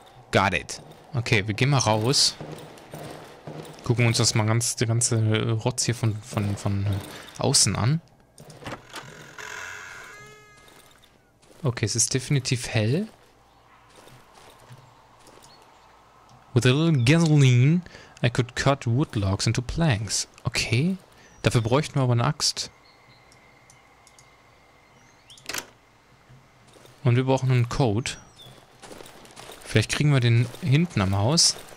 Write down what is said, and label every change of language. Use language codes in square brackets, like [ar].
[en] Got it. [de] Okay, wir gehen mal raus. Gucken uns das mal ganz, der ganze Rotz hier von außen an. Okay, es ist definitiv hell. [en] With a little gasoline, I could cut wood logs into planks. Okay. [de] Dafür bräuchten wir aber eine Axt. Und wir brauchen einen Code. Vielleicht kriegen wir den hinten am Haus.